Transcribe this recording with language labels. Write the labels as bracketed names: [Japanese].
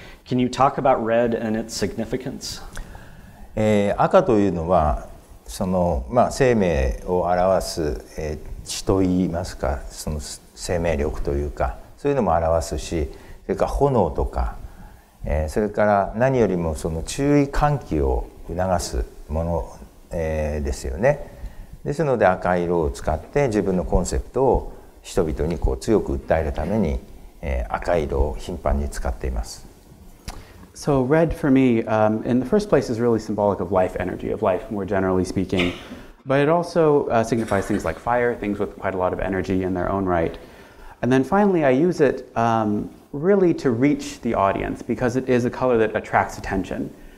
[English] Can you talk about red and its significance? [Japanese] 赤というのは、その、まあ、生命を表す、血といいますか、その生命力というか、そういうのも表すし、それから炎とか、それから何よりもその注意喚起を促すもの、ですよね。ですので赤色を使って自分のコンセプトを人々にこう強く訴えるために、赤色を頻繁に使っています。 [English] So red for me, in the first place, is really symbolic of life energy, of life more generally speaking. But it also signifies things like fire, things with quite a lot of energy in their own right. And then finally, I use it really to reach the audience, because it is a color that attracts attention.